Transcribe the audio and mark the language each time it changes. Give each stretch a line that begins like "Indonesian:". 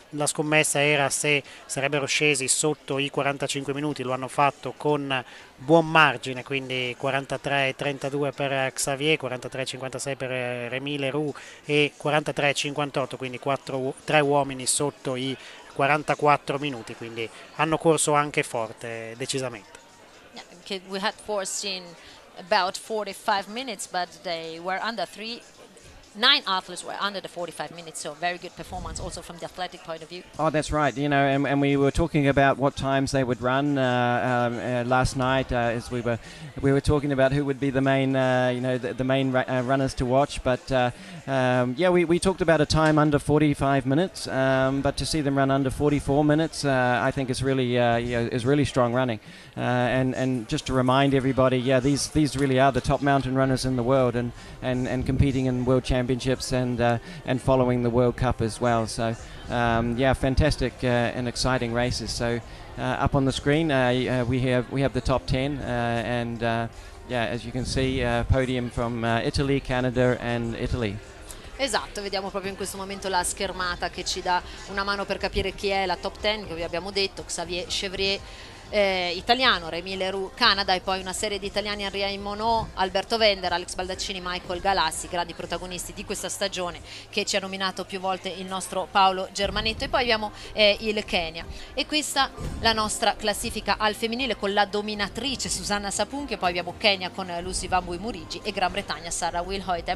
Italian: La scommessa era se sarebbero scesi sotto i 45 minuti, lo hanno fatto con buon margine, quindi 43-32 per Xavier, 43-56 per Rémy Leroux e 43-58, quindi 3 uomini sotto i 44 minuti, quindi hanno corso anche forte, decisamente.
English: Yeah, we had foreseen about 45 minutes, but they were under 9 athletes were under the 45 minutes, so very good performance also from the athletic point of view. Oh, that's right. You know, and we were talking about what times they would run last night as we were talking about who would be the main runners to watch. But we talked about a time under 45 minutes, but to see them run under 44 minutes, I think is really is really strong running. And just to remind everybody, yeah, these really are the top mountain runners in the world, and competing in world championships and following the World Cup as well. So fantastic and exciting races. So up on the screen we have the top 10, as you can see, podium from Italy, Canada and Italy.
Italian: Esatto, vediamo proprio in questo momento la schermata che ci dà una mano per capire chi è la top 10, che vi abbiamo detto: Xavier Chevrier, italiano, Rémy Leroux, Canada, e poi una serie di italiani: Henri Monod, Alberto Wender, Alex Baldaccini, Michael Galassi, grandi protagonisti di questa stagione che ci ha nominato più volte il nostro Paolo Germanetto. E poi abbiamo il Kenya, e questa la nostra classifica al femminile con la dominatrice Susanna Sapunchi, e poi abbiamo Kenya con Lucy Wambui Murigi e Gran Bretagna Sarah Wilhoit.